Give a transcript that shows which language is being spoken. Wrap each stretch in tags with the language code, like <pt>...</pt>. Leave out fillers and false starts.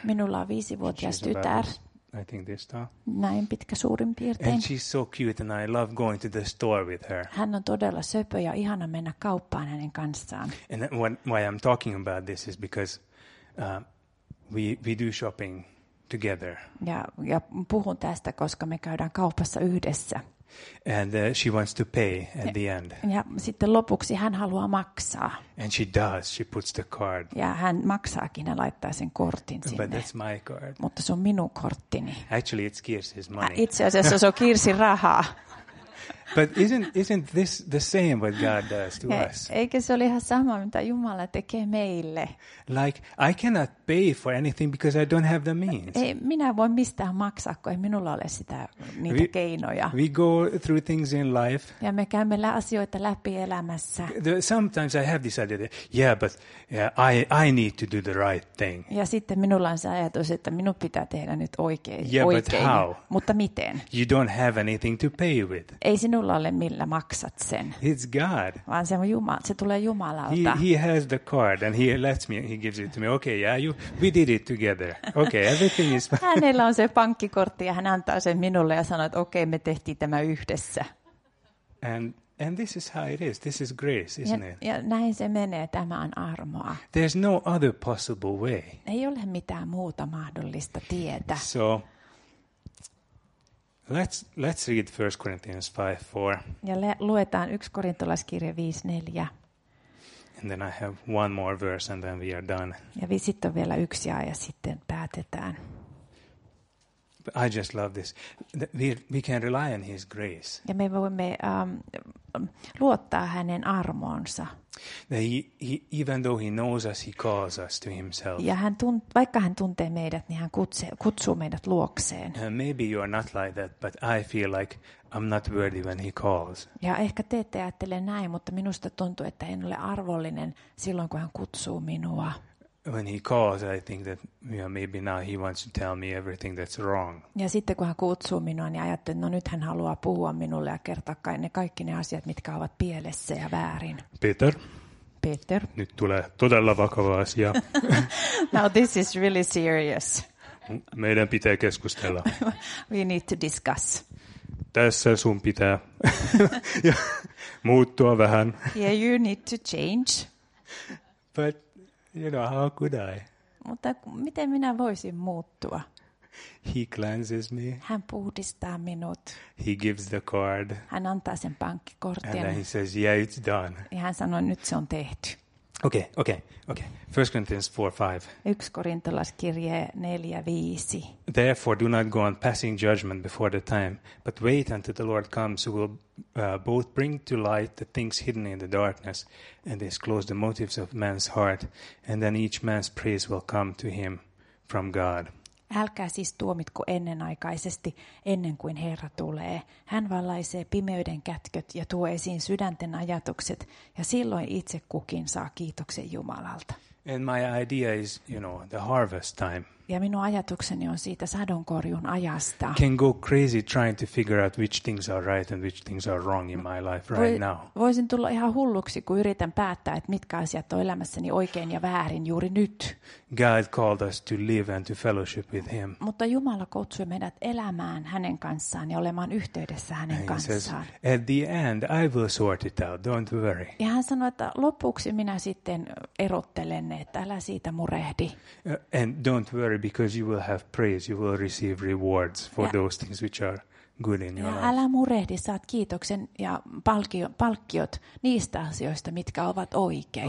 <fi>Minulla on 5-vuotias tytär.</fi> <en>I think this tall.</en> <fi>Näin pitkä suurin piirtein.</fi> <en>And she's so cute and I love going to the store with her.</en> <fi>Hän on todella söpö ja ihana mennä kauppaan hänen kanssaan.</fi> <en>And why I'm talking about this is because we do shopping together.</en> <fi>Ja puhun tästä, koska me käydään kaupassa yhdessä.</fi> <en>And she wants to pay at the end.</en> <fi>Ja sitten lopuksi hän haluaa maksaa.</fi> <en>And she does. She puts the card.</en> <fi>Ja hän maksaakin ja laittaa sen kortin sinne.</fi> <en>But that's my card.</en> <fi>Mutta se on minun korttini.</fi> <en>Actually, it's Kirsi's money.</en> <fi>Itse asiassa se on Kirsin rahaa.</fi> <en>But isn't this the same what God does to us?</en> <fi>Eikö se ole ihan sama, mitä Jumala tekee meille?</fi> <en>Like, I cannot pay for anything because I don't have the means.</en> <fi>Ei, minä voin mistään maksaa, kun ei minulla ole sitä, niitä keinoja.</fi> <en>We go through things in life.</en> <fi>Ja me käymme asioita läpi elämässä.</fi> <en>Sometimes I have this idea that, yeah, but I need to do the right thing.</en> <fi>Ja sitten minulla on se ajatus, että minun pitää tehdä nyt oikein.</fi> <en>Yeah,</en> <fi>oikein.</fi> <en>But how?</en> <fi>Mutta miten?</fi> <en>You don't have anything to pay with.</en> <fi>Ei sinulla ole millä maksat sen.</fi> <en>It's God.</en> <fi>Vaan se on Jumala, se tulee Jumalalta.</fi> <en>He has the card and he gives it to me. Okay, yeah, we did it together. Okay, everything is fine.</en> <fi>Hänellä on se pankkikortti ja hän antaa sen minulle ja sanoo, että okei, me tehtiin tämä yhdessä.</fi> <en>And this is how it is. This is grace, isn't it?</en> <fi>Ja näin se menee, tämä on armoa.</fi> <en>There's no other possible way.</en> <fi>Ei ole mitään muuta mahdollista tietä.</fi> <en>So Let's read 1 Corinthians 5:4.</en> <fi>Ja luetaan 1 Korintolaiskirje 5:4.</fi> <en>And then I have one more verse and then we are done.</en> <fi>Ja sitten on vielä yksi ja sitten päätetään.</fi> <en>But I just love this. We can rely on his grace.</en> <fi>Ja me voimme luottaa hänen armoonsa.</fi> <en>He even though he knows us, he calls us to himself.</en> <fi>Ja hän vaikka hän tuntee meidät, niin hän kutsuu meidät luokseen.</fi> <en>Maybe you are not like that, but I feel like I'm not worthy when he calls.</en> <fi>Ja ehkä te ette ajattele näin, mutta minusta tuntuu, että en ole arvollinen silloin, kun hän kutsuu minua.</fi> <en>When he calls, I think that, you know, maybe now he wants to tell me everything that's wrong.</en> <fi>Ja sitten kun hän kutsuu minua, niin ajattelen, että no nyt hän haluaa puhua minulle ja kertoa kaikki ne asiat, mitkä ovat pielessä ja väärin.</fi> <en>Peter.</en> <fi>Nyt tulee todella vakava asia.</fi> <en>Now this is really serious.</en> <fi>Meidän pitää keskustella.</fi> <en>We need to discuss.</en> <fi>Tässä sun pitää muuttua vähän.</fi> <en>Yeah, you need to change. But you know, how could I?</en> <fi>Mutta miten minä voisin muuttua?</fi> <en>He cleanses me.</en> <fi>Hän puhdistaa minut.</fi> <en>He gives the card.</en> <fi>Hän antaa sen pankkikortin.</fi> <en>And then he says, yeah, it's done.</en> <fi>Ja hän sanoo, nyt se on tehty.</fi> <en>Okay. 1 Corinthians 4:5.</en> <fi>1 Korintolaiskirje 4:5.</fi> <en>Therefore do not go on passing judgment before the time, but wait until the Lord comes, who will both bring to light the things hidden in the darkness and disclose the motives of man's heart, and then each man's praise will come to him from God.</en> <fi>Älkää siis tuomitko ennenaikaisesti ennen kuin Herra tulee. Hän valaisee pimeyden kätköt ja tuo esiin sydänten ajatukset, ja silloin itse kukin saa kiitoksen Jumalalta.</fi> <en>And my idea is, you know, the harvest time.</en> <fi>Ja minun ajatukseni on siitä sadonkorjun ajasta.</fi> <en>Can go crazy trying to figure out which things are right and which things are wrong in my life right now.</en> <fi>Voisin tulla ihan hulluksi, kun yritän päättää, että mitkä asiat on elämässäni oikein ja väärin juuri nyt.</fi> <en>God called us to live and to fellowship with him.</en> <fi>Mutta Jumala kutsui meidät elämään hänen kanssaan ja olemaan yhteydessä hänen kanssaan.</fi> <en>Says, at the end I will sort it out, don't worry.</en> <fi>Ja hän sanoi, että lopuksi minä sitten erottelen ne, että älä siitä murehdi.</fi> <en>And don't worry. Because you will have praise, you will receive rewards for those things which are good in your life.</en> <fi>Älä murehdi, saat kiitoksen ja palkkiot niistä asioista, mitkä ovat oikein.</fi>